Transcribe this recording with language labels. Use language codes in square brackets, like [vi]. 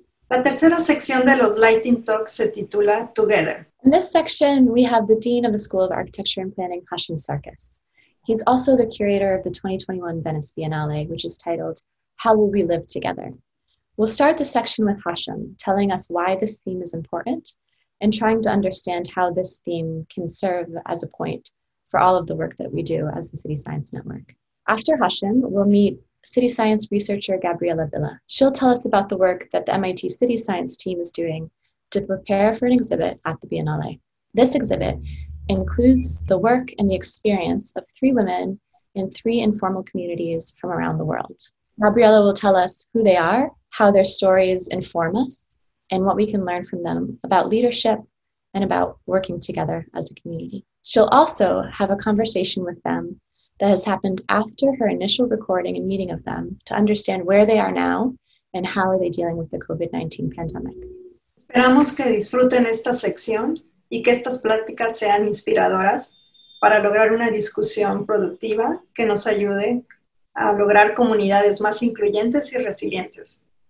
[es] La tercera sección de los Lightning Talks se titula Together. [en] In this section, we have the Dean of the School of Architecture and Planning, Hashim Sarkis. He's also the curator of the 2021 Venice Biennale, which is titled How Will We Live Together? We'll start the section with Hashim, telling us why this theme is important and trying to understand how this theme can serve as a point for all of the work that we do as the City Science Network. After Hashim, we'll meet City Science researcher Gabriela Bílá. She'll tell us about the work that the MIT City Science team is doing to prepare for an exhibit at the Biennale. This exhibit includes the work and the experience of three women in three informal communities from around the world. Gabriela will tell us who they are, how their stories inform us, and what we can learn from them about leadership and about working together as a community. She'll also have a conversation with them that has happened after her initial recording and meeting of them to understand where they are now and how are they dealing with the COVID-19 pandemic. [es] Esperamos que disfruten esta sección y que estas pláticas sean inspiradoras para lograr una discusión productiva que nos ayude a lograr comunidades más incluyentes y resilientes.